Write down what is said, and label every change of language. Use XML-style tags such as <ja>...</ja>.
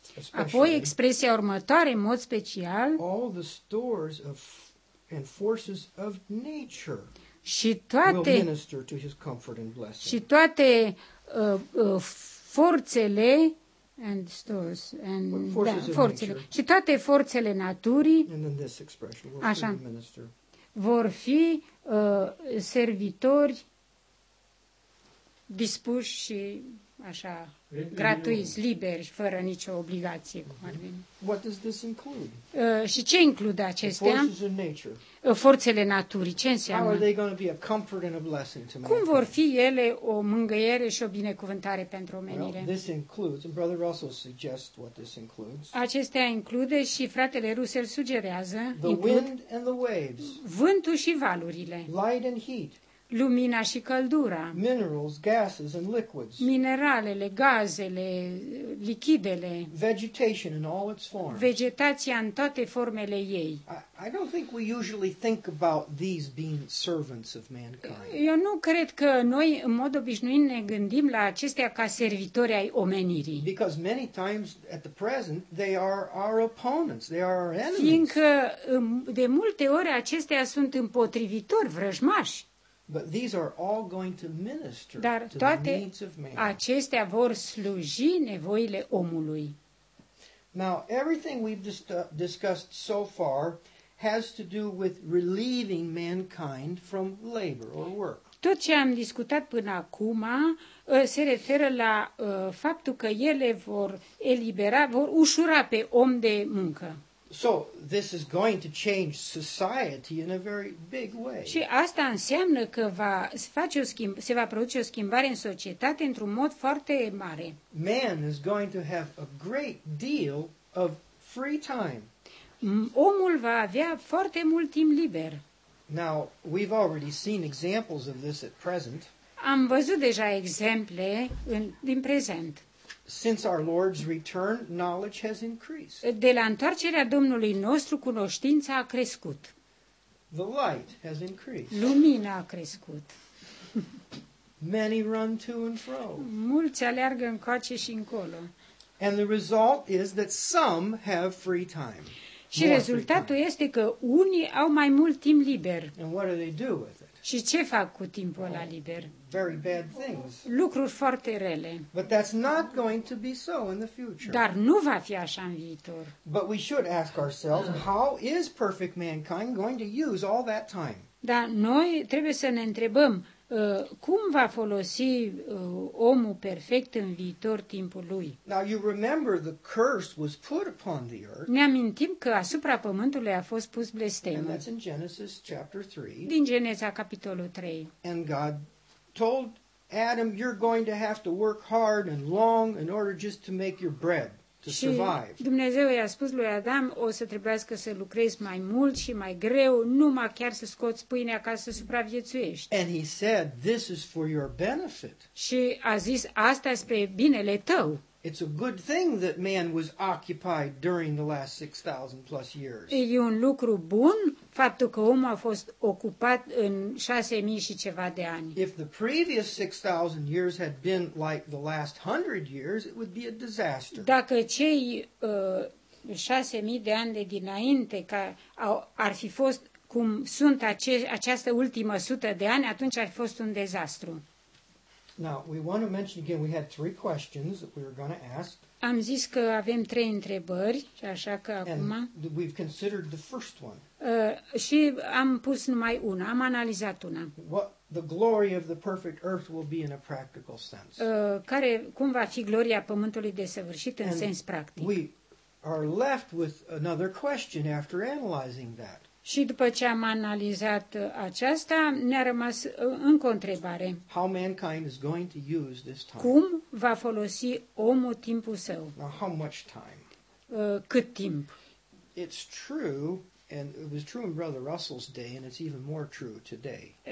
<en>especially,</en> <ro>apoi expresia următoare în mod special,</ro> <en>all the stores of and forces of nature</en> <ro>și toate,</ro> <en>will minister to his comfort and blessing.</en> <ro>Și toate forțele</ro> <en>and stores and</en> <ro>forțele și toate forțele naturii</ro> <en>and then this expression, will</en> <ro>vor fi servitori dispuși și așa gratuiți, liberi, fără nicio obligație, cum ar veni.</ro> <en>What does this include?</en> <ro>Și ce include acestea?</ro> <en>The forces of nature.</en> <ro>Forțele naturii, ce înseamnă?</ro> <en>How are they going to be a comfort and a blessing to mankind?</en> <ro>Cum vor fi ele o mângâiere și o binecuvântare pentru omenire?</ro> <en>Well, this includes, and Brother Russell suggests what this includes.</en> <ro>Acestea include și fratele Russell sugerează.</ro> <en>The wind and the waves.</en> <ro>Vântul și valurile.</ro> <en>Light and heat.</en> <ro>Lumina și căldura.</ro> <en>Minerals, gases and liquids.</en> <ro>Mineralele, gazele, lichidele.</ro> <en>Vegetation in all its forms.</en> <ro>Vegetația în toate formele ei.</ro> <en>I don't think we usually think about these being servants of mankind.</en> <ro>Eu nu cred că noi în mod obișnuit ne gândim la acestea ca servitori ai omenirii.</ro> <en>Because many times at the present they are our opponents, they are our enemies.</en> <ro>Fiindcă de multe ori acestea sunt împotrivitori, vrăjmași.</ro> <en>But these are all going to minister to the needs of man.</en> <ro>Acestea vor sluji nevoile omului.</ro> <en>Now, everything we've discussed so far has to do with relieving mankind from labor or work.</en> <ro>Tot ce am discutat până acum se referă la faptul că ele vor elibera, vor ușura pe om de muncă.</ro> <en>So this is going to change society in a very big way.</en> <ro>Și asta înseamnă că se va produce o schimbare în societate într-un mod foarte mare.</ro> <en>Man is going to have a great deal of free time.</en> <ro>Omul va avea foarte mult timp liber.</ro> <en>Now, we've already seen examples of this at present.</en> <ro>Am văzut deja exemple din prezent.</ro> <en>Since our Lord's return, knowledge has increased.</en> <ro>De la întoarcerea Domnului nostru, cunoștința a crescut.</ro> <en>The light has increased.</en> <ro>Lumina a crescut.</ro> <en>Many run to and fro.</en> <ro>Mulți aleargă încoace și încolo.</ro> <en>And the result is that some have free time.</en> <ro>Și rezultatul este că unii au mai mult timp liber.</ro> <en>And what do they do with it?</en> <ro>Și ce fac cu timpul ăla liber?</ro> <en>Very bad things.</en> <ro>Lucruri foarte rele.</ro> <en>But that's not going to be so in the future.</en> <ro>Dar nu va fi așa în viitor.</ro> <en>But we should ask ourselves, how is perfect mankind going to use all that time?</en> <ro>Dar noi trebuie să ne întrebăm, cum va folosi omul perfect în viitor timpul lui?</ro> <en>Now you remember the curse was put upon the earth.</en> <ro>Ne amintim că asupra pământului a fost pus blestemă.</ro> <en>And that's in Genesis chapter 3.</en> <ro>Din Geneza capitolul 3.</ro> <en>And God told Adam, you're going to have to work hard and long in order just to make your bread to survive.</en> <ro>Și Dumnezeu i-a spus lui Adam, o să trebuiască să lucrezi mai mult și mai greu, numai chiar să scoți pâinea ca să supraviețuiești.</ro> <en>And he said, this is for your benefit.</en> <ro>Și a zis, asta spre binele tău.</ro> <en>It's a good thing that man was occupied during the last 6,000 plus years.</en> <ro>E un lucru bun faptul că omul a fost ocupat în 6,000 și ceva de ani.</ro> <en>If the previous 6,000 years had been like the last 100 years, it would be a disaster.</en> <ro>Dacă cei 6,000 de ani de dinainte ar fi fost cum sunt această ultimă sută de ani, atunci ar fi fost un dezastru.</ro> <en>Now, we want to mention again, we had three questions that we were going to ask.</en> <ro>Am zis că avem trei întrebări, așa că acum...</ro> <en>And we've considered the first one.</en> <ro>Și am pus numai una, am analizat una.</ro> <en>What the glory of the perfect earth will be in a practical sense.</en> <ro>Cum va fi gloria pământului desăvârșit în sens practic.</ro> <en>We are left with another question after analyzing that.</en> <ro>Și după ce am analizat aceasta, ne-a rămas încă o întrebare.</ro> <en>How mankind is going to use this time?</en> <ro>Cum va folosi omul timpul său?</ro> <en>Now, how much time?</en> <ro>Cât timp?</ro> <en>It's true, and it was true in Brother Russell's day, and it's even more true today.</en>